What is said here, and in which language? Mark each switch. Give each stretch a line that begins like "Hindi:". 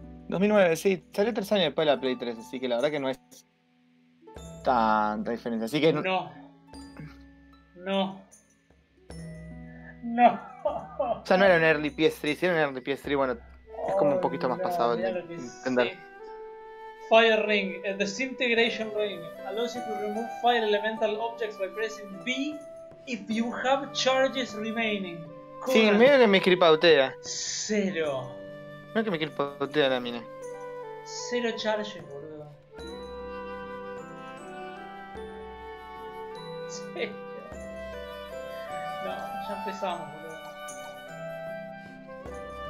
Spanish: 2009, sí, salió 3 años después de la Play 3, así que la verdad que no es tanta diferencia, así que... No. O sea, no era un early PS3, si era un early PS3, bueno, es como un poquito más pasado de entender.
English: Fire Ring, a disintegration ring, allows you to remove fire elemental objects by pressing B if you have charges remaining.
Spanish: Sí, medio que me cripautea. Cero. No es que me quiera potear la mina. Cero charge, boludo. Sí. No, ya empezamos, boludo.